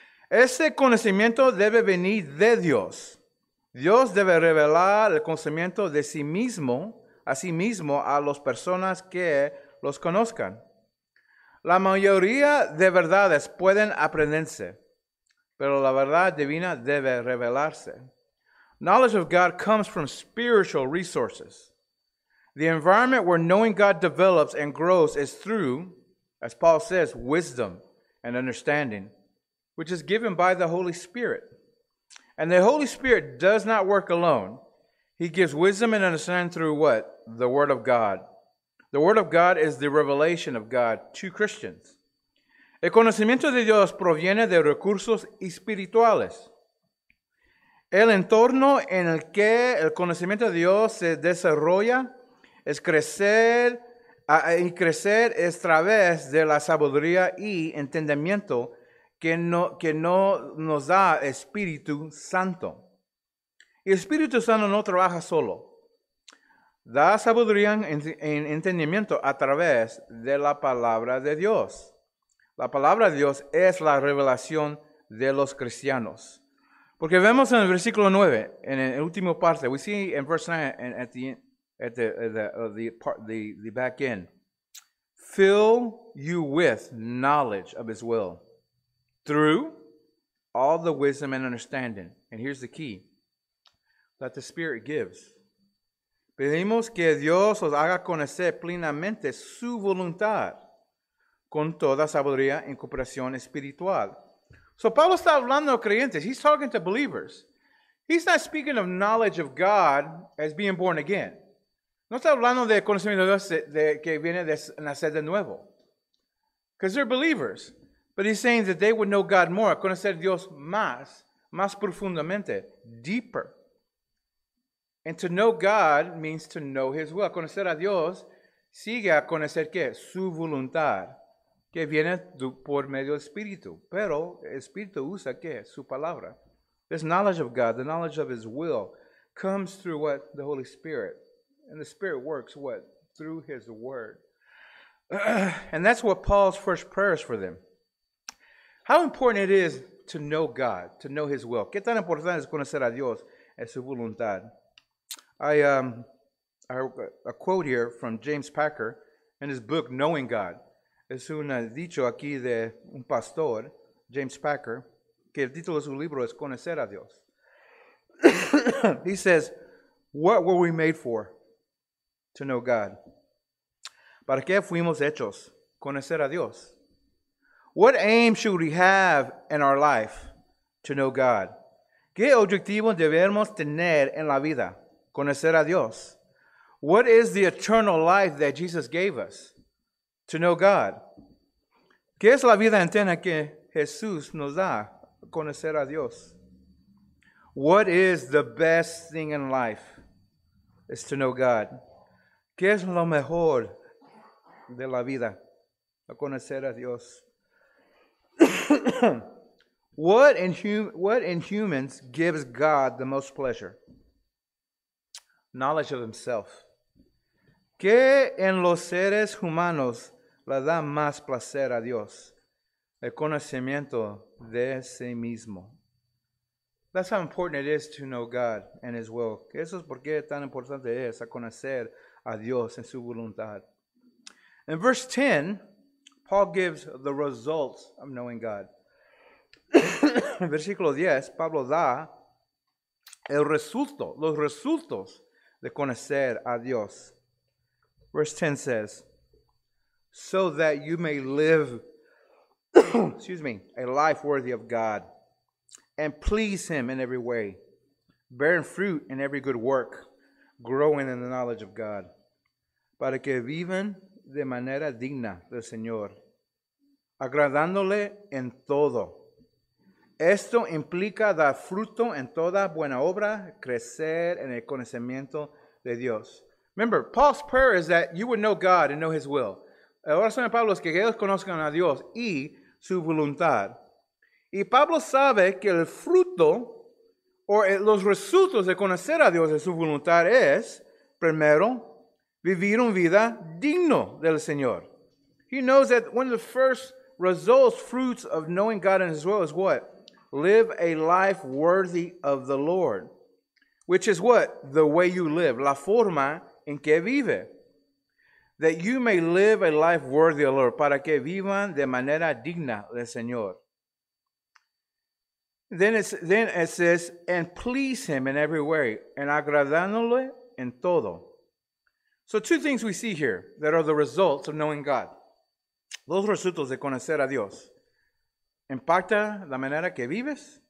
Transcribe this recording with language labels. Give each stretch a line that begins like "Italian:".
Spanish: Ese conocimiento debe venir de Dios. Dios debe revelar el conocimiento de sí mismo, a sí mismo, a las personas que los conozcan. La mayoría de verdades pueden aprenderse, pero la verdad divina debe revelarse.
English: Knowledge of God comes from spiritual resources. The environment where knowing God develops and grows is through, as Paul says, wisdom and understanding, which is given by the Holy Spirit. And the Holy Spirit does not work alone. He gives wisdom and understanding through what? The Word of God. The Word of God is the revelation of God to Christians.
Spanish: El conocimiento de Dios proviene de recursos espirituales. El entorno en el que el conocimiento de Dios se desarrolla es crecer y crecer es a través de la sabiduría y entendimiento que no nos da Espíritu Santo. Y Espíritu Santo no trabaja solo. Da sabiduría en entendimiento a través de la palabra de Dios. La palabra de Dios es la revelación de los cristianos. Porque vemos en el versículo 9, en la última parte,
English: we see in verse 9, at the back end, fill you with knowledge of his will through all the wisdom and understanding. And here's the key that the Spirit gives.
Spanish: Pedimos que Dios os haga conocer plenamente su voluntad con toda sabiduría y cooperación espiritual.
English: So
Spanish: Pablo está hablando a creyentes.
English: He's talking to believers. He's not speaking of knowledge of God as being born again.
Spanish: No está hablando de conocimiento de Dios que viene de nacer de nuevo.
English: Because they're believers. But he's saying that they would know God more,
Spanish: conocer Dios más, más profundamente,
English: deeper. And to know God means to know his will.
Spanish: Conocer a Dios sigue a conocer qué? Su voluntad, que viene por medio del Espíritu. Pero el Espíritu usa qué? Su palabra.
English: This knowledge of God, the knowledge of his will, comes through what? The Holy Spirit. And the Spirit works what? Through his word. And that's what Paul's first prayer is for them. How important it is to know God, to know his will.
Spanish: ¿Qué tan importante es conocer a Dios y su voluntad?
English: I a quote here from James Packer in his book, Knowing God.
Spanish: Es un dicho aquí de un pastor, James Packer, que el título de su libro es Conocer a Dios.
English: He says, what were we made for? To know God.
Spanish: ¿Para qué fuimos hechos? Conocer a Dios.
English: What aim should we have in our life? To know God.
Spanish: ¿Qué objetivo debemos tener en la vida? Conocer a Dios.
English: What is the eternal life that Jesus gave us? To know God.
Spanish: ¿Qué es la vida eterna que Jesús nos da? Conocer a Dios.
English: What is the best thing in life? It's to know God.
Spanish: ¿Qué es lo mejor de la vida? Conocer a Dios.
English: What in humans gives God the most pleasure? Knowledge of himself.
Spanish: ¿Qué en los seres humanos le da más placer a Dios? El conocimiento de sí mismo.
English: That's how important it is to know God and his will.
Spanish: Eso es por qué tan importante es conocer a Dios en su voluntad.
English: In verse 10, Paul gives the results of knowing God.
Spanish: En versículo 10, Pablo da el resulto, los resultos de conocer a Dios.
English: Verse 10 says, so that you may live, excuse me, a life worthy of God and please him in every way, bearing fruit in every good work, growing in the knowledge of God,
Spanish: para que vivan de manera digna del Señor, agradándole en todo. Esto implica dar fruto en toda buena obra, crecer en el conocimiento de Dios.
English: Remember, Paul's prayer is that you would know God and know his will.
Spanish: La oración de Pablo es que ellos conozcan a Dios y su voluntad. Y Pablo sabe que el fruto o los resultados de conocer a Dios y su voluntad es, primero, vivir una vida digno del Señor.
English: He knows that one of the first results, fruits of knowing God and his will is what? Live a life worthy of the Lord. Which is what? The way you live.
Spanish: La forma en que vive.
English: That you may live a life worthy of the Lord.
Spanish: Para que vivan de manera digna del Señor.
English: Then it says, and please him in every way. And
Spanish: agradándole en todo.
English: So two things we see here that are the results of knowing God.
Spanish: Los resultados de conocer a Dios. Impacta la manera que vives.